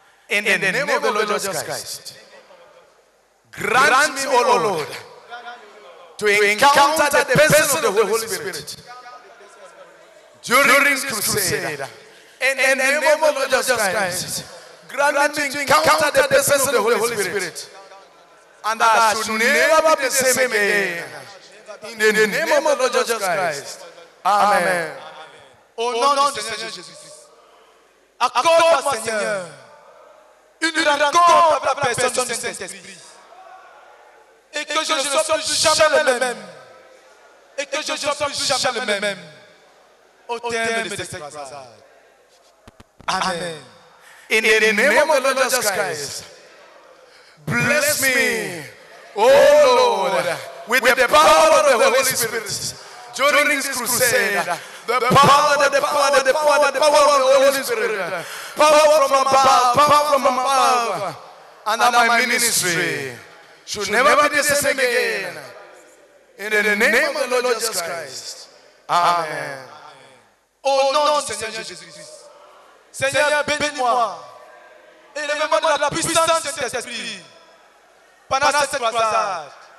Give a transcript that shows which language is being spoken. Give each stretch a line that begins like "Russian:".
English: In the name of the Lord Jesus Christ, grant me, O Lord, to encounter the presence of the Holy Spirit during this crusade. In the name of the Lord Jesus Christ, grant me to encounter the presence of the Holy Spirit, and that I should never be the same again. In the name of the Lord Jesus Christ. Amen.
French: Au nom du Seigneur Jésus-Christ, accorde-moi, Seigneur, une rencontre avec la personne du Saint-Esprit, et que je ne sois plus jamais le même. Et que je ne sois plus jamais le même au terme de cette croisade. Amen.
English: In the name of the Lord Jesus Christ, bless me, O Lord, with the power of the Holy Spirit. During this crusade, the power of the Holy Spirit, power from above, and that my ministry should never be the same again. In the name of the Lord Jesus Christ. Amen.
French: Au nom du Seigneur Jésus-Christ, Seigneur, bénis-moi et élève-moi de la puissance de cet esprit pendant cette croisade.